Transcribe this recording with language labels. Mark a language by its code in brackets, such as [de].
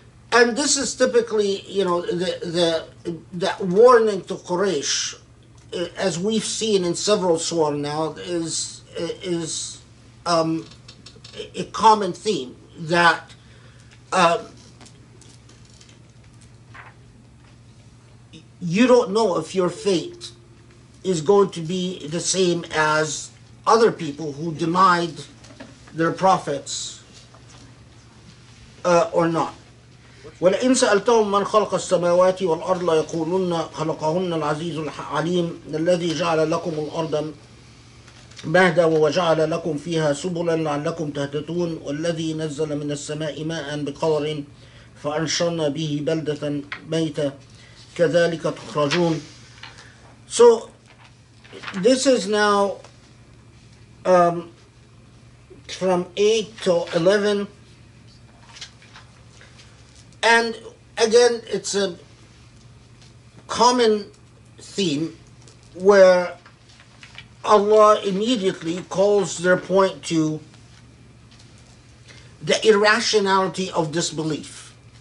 [en] And this is typically, the warning to Quraysh, as we've seen in several surah now, is a common theme that you don't know if your fate is going to be the same as other people who denied their prophets or not. [ar] وَلَئِنْ سَأَلْتَهُمْ مَنْ خَلَقَ السَّمَاوَاتِ وَالْأَرْضَ لَيَقُولُنَّ خَلَقَهُنَّ الْعَزِيزُ الْعَلِيمُ الَّذِي جَعَلَ لَكُمُ الْأَرْضَ مهدا وجعل لكم فيها سبلا لعلكم تهتدون والذي نزل من السماء ماء بقدر فأنشرنا به بلدة ميتة كذلك تخرجون. [en] So this is now from 8 to 11, and again it's a common theme where Allah immediately calls their point to the irrationality of disbelief.